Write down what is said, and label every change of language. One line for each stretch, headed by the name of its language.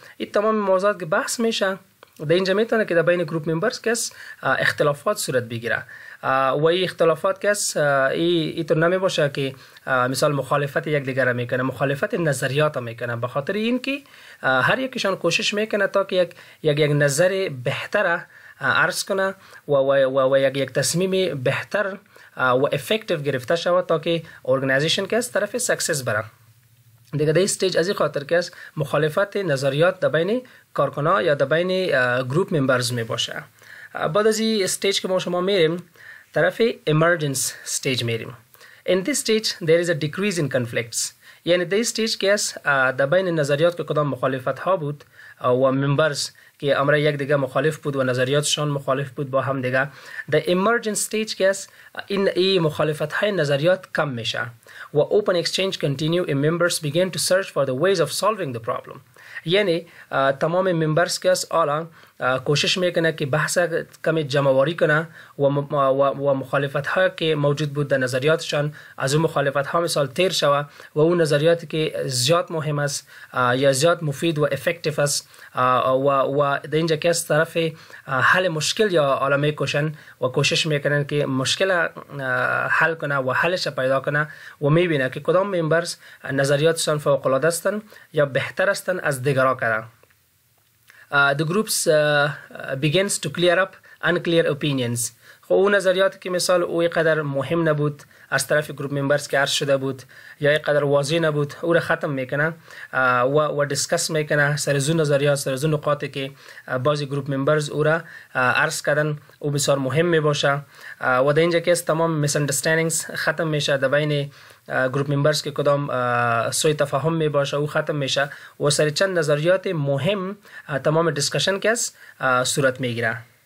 Persian: این تمام موضوعات که بحث میشه، د اینجا میتونه که د بین گروپ ممبرز که است اختلافات صورت بگیره و ای اختلافات که است ای تو نمی باشه که مثال مخالفت یک دیگر میکنه، مخالفت نظریات میکنه، به خاطر این که هر یکیشان کوشش میکنه تا که یک نظر بهتر عرض کنه و یک تصمیم بهتر و افکتیو گرفته شوه تا که ارگنیزیشن که است طرف سکسس بره. دیگه در استیج از این خاطر که است مخالفت نظریات در بین کارکنان یا در بین گروپ ممبرز میباشه. بعد از این استیج که ما شما میریم طرف ایمرجنس استیج میریم.
English: In this stage there is a decrease in conflicts.
Persian: یعنی در استیج که است در بین نظریات که کدام مخالفت ها بود و ممبرز که امرای یک دیگه مخالف بود و نظریاتشان مخالف بود با هم دیگه، در ایمرجنس استیج که است این ای مخالفت های نظریات کم میشه و
English: open exchange continue and members begin to search for the ways of solving the problem.
Persian: یعنی تمام ممبرز که است آلا کوشش میکنه که بحث کمی جمعواری کنه و مخالفت ها که موجود بود در نظریاتشان از اون مخالفت ها مثال تیر شوه و اون نظریاتی که زیاد مهم است یا زیاد مفید و افکتیف است و در اینجا که از طرف حل مشکل یا آلا میکوشن و کوشش میکنن که مشکل حل کنه و حلش پیدا کنه و میبینه که کدام ممبرز نظریاتشان فوق العاده استن یا بهتر استن از دیگرا کنه.
English: The groups begins to clear up unclear opinions.
Persian: خو اون نظریات که مثال او یقدر مهم نبود از طرف گروپ ممبرز که عرض شده بود یا یقدر واضح نبود او را ختم میکنه و دسکس میکنه سر زون نظریات، سر زون نقاط که بعضی گروپ ممبرز او را عرض کردن او بسیار مهم میباشه و در اینجا که تمام misunderstandings ختم میشه در بین گروپ ممبرز که کدام سوء تفاهم می باشه او ختم میشه و سر چند نظریات مهم تمام دسکشن که است صورت میگیره.